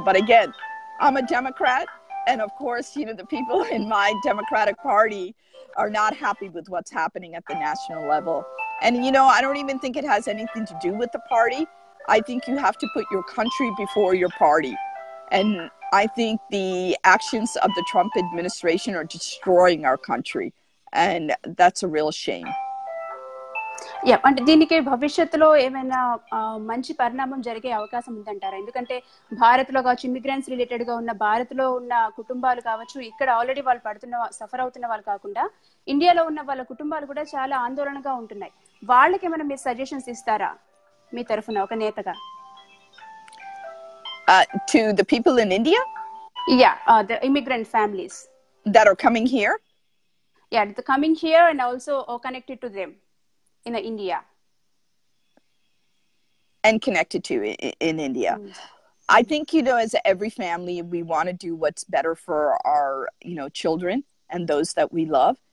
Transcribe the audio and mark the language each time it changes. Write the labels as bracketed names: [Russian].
[English] But again, I'm a Democrat. And of course, the people in my Democratic Party are not happy with what's happening at the national level. And, I don't even think it has anything to do with the party. I think you have to put your country before your party. And I think the actions of the Trump administration are destroying our country. And that's a real shame. Yeah, and [Telugu] దీనికి భవిష్యత్తులో ఏమైనా మంచి పరిణామం జరిగే అవకాశం ఉందంటారా? ఎందుకంటే భారత్లో కావచ్చు, ఇమిగ్రెంట్స్ రిలేటెడ్ గా ఉన్న భారత్లో ఉన్న కుటుంబాలు కావచ్చు, ఇక్కడ ఆల్రెడీ వాళ్ళు పడుతున్న సఫర్ అవుతున్న వాళ్ళు కాకుండా ఇండియాలో ఉన్న వాళ్ళ కుటుంబాలు కూడా చాలా ఆందోళనగా ఉంటున్నాయి. వాళ్ళకి ఏమైనా మీరు సజెషన్స్ ఇస్తారా మీ తరఫున ఒక నేతగా? [English] To the people in India? Yeah, the immigrant families. That are coming here? Yeah, they're coming here and also connected to them in India. And connected to in India. Mm. I think, as every family, we want to do what's better for our, children and those that we love.